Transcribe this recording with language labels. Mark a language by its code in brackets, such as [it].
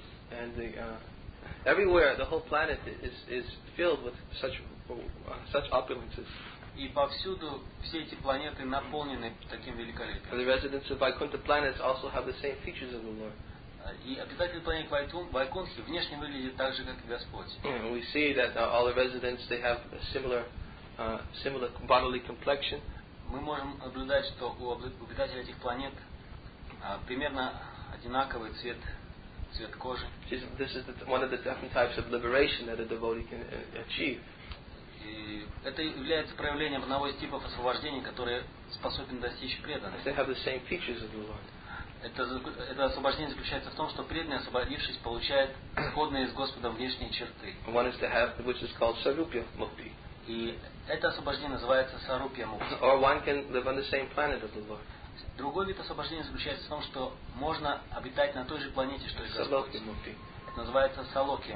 [en] And everywhere, the whole planet is filled with such opulences. [ru] И повсюду все эти планеты наполнены таким великолепием. [en] The residents of Vaikuntha planets also have the same features of the Lord. [ru] И обитатели планеты Вайкунтхи внешне выглядят так же, как и Господь. [en] We see that all the residents they have a similar bodily complexion. [ru] Мы можем наблюдать, что у обитателей этих планет примерно одинаковый цвет. [en] This is one of the different types of liberation that a devotee can achieve. [ru] Это является проявлением одного из типов освобождения, которое способен достичь преданный. [en] They have the same features as the Lord. [ru] Это освобождение заключается в том, что преданный, освободившись, получает сходные с Господом внешние черты. [en] One is to have, which is called sarupya mukti. [ru] И это освобождение называется sarupya mukti. [en] Or one can live on the same planet as the Lord. [ru] Другой вид освобождения заключается в том, что можно обитать на той же планете, что и Господь. Это называется салокья